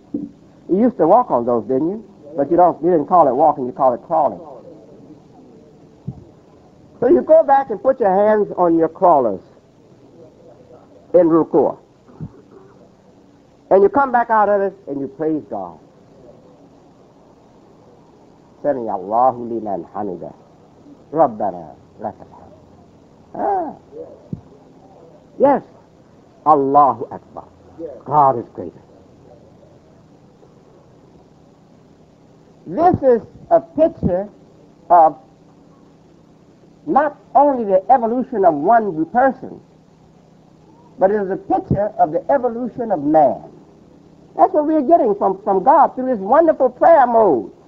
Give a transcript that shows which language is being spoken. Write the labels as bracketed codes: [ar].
[en] You used to walk on those, didn't you? But you didn't call it walking, you call it crawling. So you go back and put your hands on your crawlers in ruku'ah. And you come back out of it and you praise God. [ar] سمي الله لمن حمده ربنا لك الحمد Yes, الله أكبر. [en] God is greater. This is a picture of not only the evolution of one person, but it is a picture of the evolution of man. That's what we're getting from God through this wonderful prayer mode.